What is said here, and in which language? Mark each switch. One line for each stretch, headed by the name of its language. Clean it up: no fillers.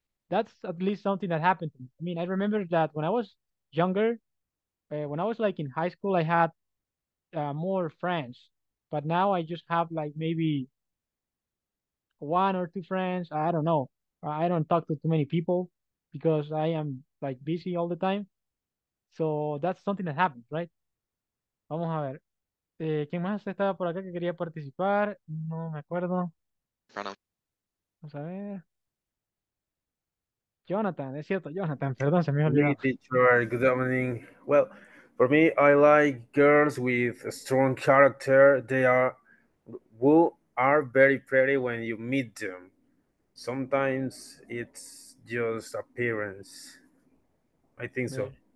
English: That's at least something that happened to me. I mean, I remember that when I was younger, when I was like in high school, I had more friends, but now I just have like maybe 1 or 2 friends. I don't know. I don't talk to too many people because I am like busy all the time. So that's something that happens, right?
Spanish: Vamos a ver. ¿Quién más estaba por acá que quería participar? No me acuerdo. Vamos a ver. Jonathan, es cierto, Jonathan, perdón, se me olvidó.
English: Hey, teacher, good evening. Well, for me, I like girls with a strong character. They are, who are very pretty when you meet them. Sometimes it's just appearance. I think so.